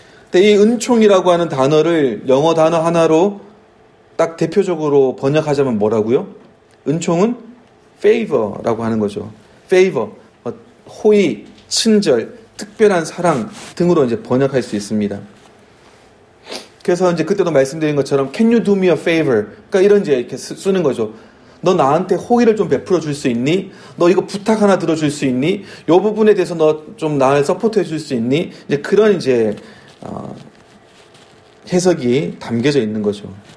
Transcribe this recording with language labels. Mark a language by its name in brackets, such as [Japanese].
[Korean] 근데 이 은총이라고 하는 단어를 영어 단어 하나로 딱 대표적으로 번역하자면 뭐라고요? 은총은 favor라고 하는 거죠. favor, 호의, 친절, 특별한 사랑 등으로 이제 번역할 수 있습니다. 그래서 이제 그때도 말씀드린 것처럼 [English] can you do me a favor? [Korean] 그러니까 이런 이제 이렇게 쓰는 거죠. 너 나한테 호의를 좀 베풀어 줄 수 있니? 너 이거 부탁 하나 들어줄 수 있니? 요 부분에 대해서 너 좀 나를 서포트해 줄 수 있니? 이제 그런 이제 해석이 담겨져 있는 거죠.